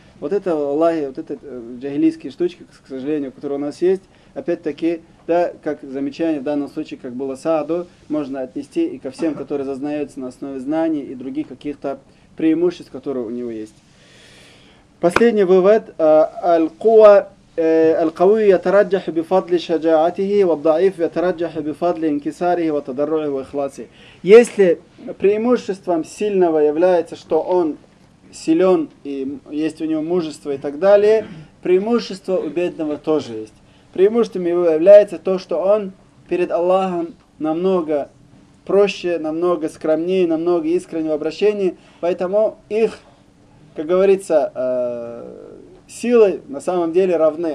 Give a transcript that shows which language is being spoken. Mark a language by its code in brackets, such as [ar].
[ru] Вот это Аллах, вот это джагилийские штучки, к сожалению, которые у нас есть, опять-таки, да, как замечание в данном случае, как было Сааду, можно отнести и ко всем, которые зазнаются на основе знаний и других каких-то преимуществ, которые у него есть. Последний вывод. Аль-Куа. [ar] القوي يترجح بفضل شجاعته والضعيف يترجح بفضل انكساره وتضرعه واخلاصه. [ru] Если преимуществом сильного является, что он силен и есть у него мужество и так далее, преимущество у бедного тоже есть. Преимуществом его является то, что он перед Аллахом намного проще, намного скромнее, намного искреннее в обращении, поэтому их, как говорится, силы на самом деле равны.